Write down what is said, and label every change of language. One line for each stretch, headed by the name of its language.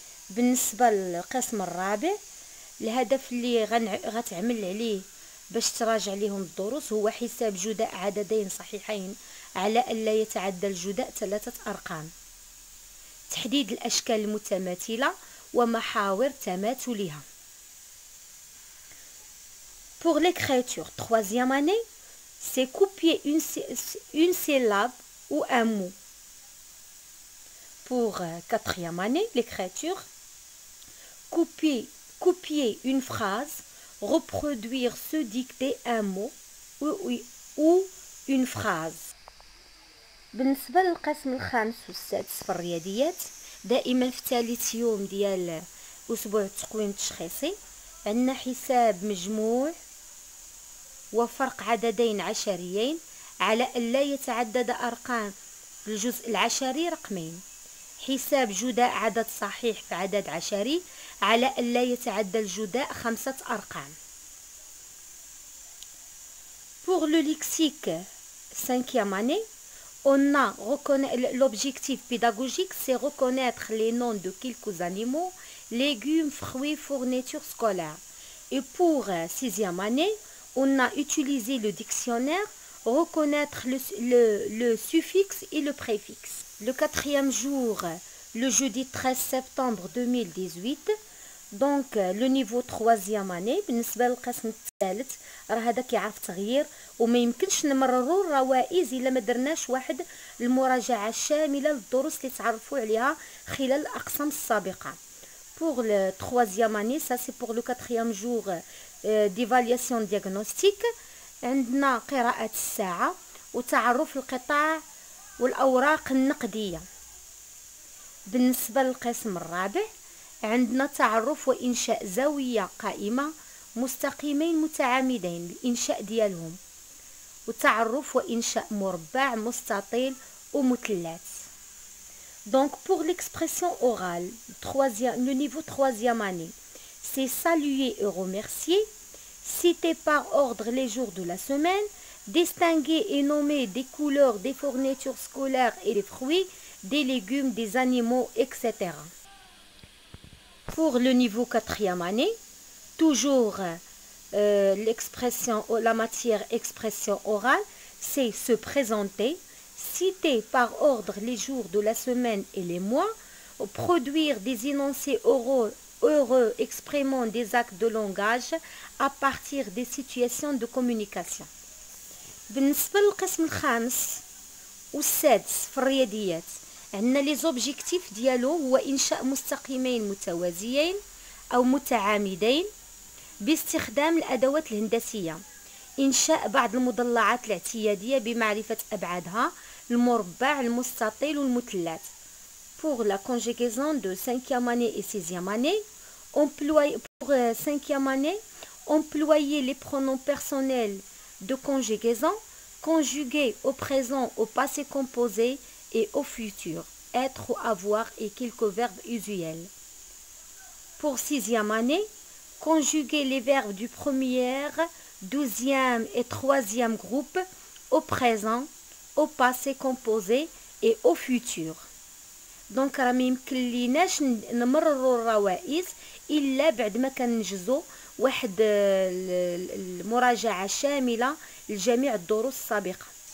Arabic: بالنسبة للقسم الرابع الهدف اللي غتعمل عليه باش تراجع ليهم الدروس هو حساب جداء عددين صحيحين على ألا يتعدى الجداء 3 أرقام. تحديد الأشكال المتماثلة ومحاور تماثلها.
French: Pour l'écriture, troisième année, c'est copier une syllabe ou un mot. Pour quatrième année, l'écriture, copier une phrase, reproduire se dicter un mot ou une phrase.
Arabic: بالنسبة للقسم الخامس والسادس في الرياضيات دائما في ثالث يوم ديال اسبوع التقويم التشخيصي عندنا حساب مجموع وفرق عددين عشريين على الا يتعدد ارقام الجزء العشري رقمين. حساب جداء عدد صحيح في عدد عشري على الا يتعدى الجداء 5 ارقام.
French: Pour le lexique 5e année, on a l'objectif pédagogique, c'est reconnaître les noms de quelques animaux, légumes, fruits, fournitures scolaires. Et pour 6e année, on a utilisé le dictionnaire, reconnaître le suffixe et le préfixe. Le 4e jour, le jeudi 13 septembre 2018, دونك لو نيفو 3 اني
Arabic: بالنسبه للقسم الثالث راه هذا كيعرف تغيير وما يمكنش نمرروا الروائز الا ما درناش واحد المراجعه الشامله للدروس اللي تعرفوا عليها خلال الاقسام السابقه.
French: Pour le troisième année, ça c'est pour le quatrième jour d'évaluation diagnostique.
Arabic: عندنا قراءة الساعة وتعرف القطاع والأوراق النقدية. بالنسبة للقسم الرابع عندنا تعرف وإنشاء زاوية قائمة مستقيمين متعامدين الإنشاء ديالهم وتعرف وإنشاء مربع مستطيل ومثلث.
French: Donc pour l'expression orale, le niveau 3e année, c'est saluer et remercier, citer par ordre les jours de la semaine, distinguer et nommer des couleurs, des fournitures scolaires et des fruits, des légumes, des animaux, etc. Pour le niveau 4e année, toujours la matière expression orale, c'est se présenter, citer par ordre les jours de la semaine et les mois, produire des énoncés oraux heureux exprimant des actes de langage à partir des situations de communication.
Arabic: بالنسبه للقسم الخامس والسادس في الرياضيات عندنا
French: لي زوبجيكتيف
Arabic: ديالو هو انشاء مستقيمين متوازيين او متعامدين باستخدام الادوات الهندسيه، انشاء بعض المضلعات الاعتياديه بمعرفه ابعادها المربع المستطيل والمثلث.
French: Pour la conjugaison de 5e année et 6e année, pour 5e année, employer les pronoms personnels de conjugaison, conjuguer au présent, au passé composé et au futur, être ou avoir et quelques verbes usuels. Pour 6e année, conjuguer les verbes du 1er, 12e et 3e groupe au présent, au passé composé et au futur.
Arabic: دونك راه ما يمكنليناش نمرروا الروائز الا بعد ما كننجزوا واحد المراجعه شامله لجميع الدروس السابقه.